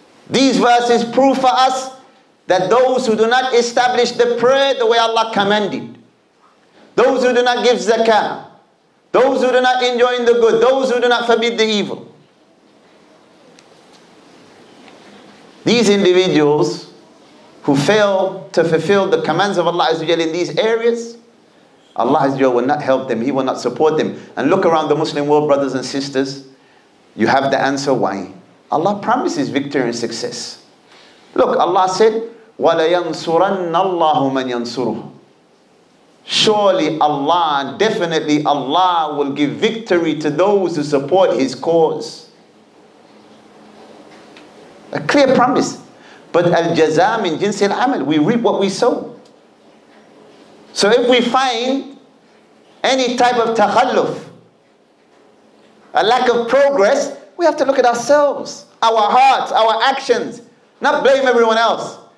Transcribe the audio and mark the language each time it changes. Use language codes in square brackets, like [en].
[en] These verses prove for us that those who do not establish the prayer the way Allah commanded, those who do not give zakah, those who do not enjoin the good, those who do not forbid the evil, these individuals who fail to fulfill the commands of Allah Azza wa Jalla in these areas, Allah Azza wa Jalla will not help them. He will not support them. And look around the Muslim world, brothers and sisters. You have the answer why. Allah promises victory and success. Look, Allah said, [ar] وَلَيَنْصُرَنَّ اللَّهُ مَنْ يَنْصُرُهُ. [en] Surely Allah, definitely Allah will give victory to those who support His cause. A clear promise. But [ar] al-jaza min jins al-amal, [en] we reap what we sow. So if we find any type of takhalluf, a lack of progress, we have to look at ourselves, our hearts, our actions, not blame everyone else.